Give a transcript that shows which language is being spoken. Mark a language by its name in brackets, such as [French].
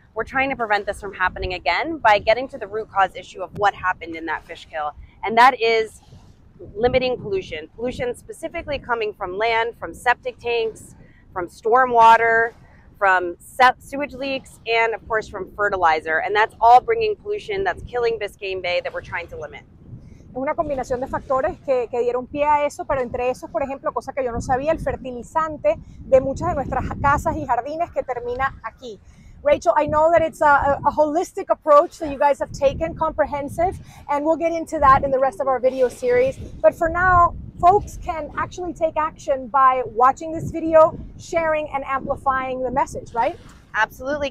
[English] We're trying to prevent this from happening again by getting to the root cause issue of what happened in that fish kill. And that is limiting pollution. Pollution specifically coming from land, from septic tanks, from storm water, from sewage leaks, and of course from fertilizer. And that's all bringing pollution that's killing Biscayne Bay that we're trying to limit. [Spanish] Es una combinación de factores que dieron pie a eso, pero entre esos, por ejemplo, cosa que yo no sabía, el fertilizante de muchas de nuestras casas y jardines que termina aquí. [English] Rachel, I know that it's a holistic approach that you guys have taken, comprehensive, and we'll get into that in the rest of our video series. But for now, folks can actually take action by watching this video, sharing and amplifying the message, right? Absolutely.